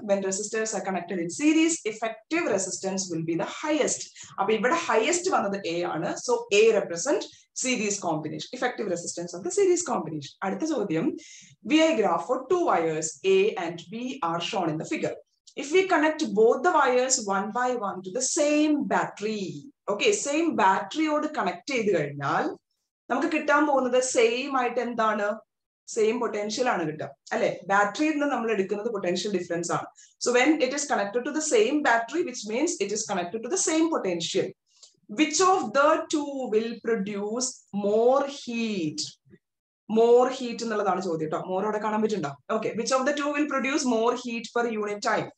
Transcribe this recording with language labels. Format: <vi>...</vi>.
<en>When resistors are connected in series effective resistance will be the highest.</en> <ml>അപ്പൊ ഇവിടെ highest വന്നത് A ആണ്.</ml> <en>So A represent series combination, effective resistance of the series combination.</en> <ml>അടുത്ത ചോദ്യം,</ml> <en>V I graph for two wires A and B are shown in the figure. If we connect both the wires one by one to the same battery, okay, same battery</en> <ml>ഓട് connect ചെയ്ത് കഴിഞ്ഞാൽ നമുക്ക് കിട്ടാൻ പോകുന്നത് same ആയിട്ട് എന്താണ്? Same potential ആണ് കിട്ടുക അല്ലെ. ബാറ്ററിയിൽ നിന്ന് നമ്മൾ എടുക്കുന്നത് പൊട്ടൻഷ്യൽ ഡിഫറൻസ് ആണ്.</ml> <en>So when it is connected to the same battery, which means it is connected to the same potential, which of the two will produce more heat?</en> <ml>More heat എന്നുള്ളതാണ് ചോദ്യം കേട്ടോ. മോർ അവിടെ കാണാൻ പറ്റുന്നുണ്ടോ? Okay,</ml> <en>Which of the two will produce more heat per unit time?</en>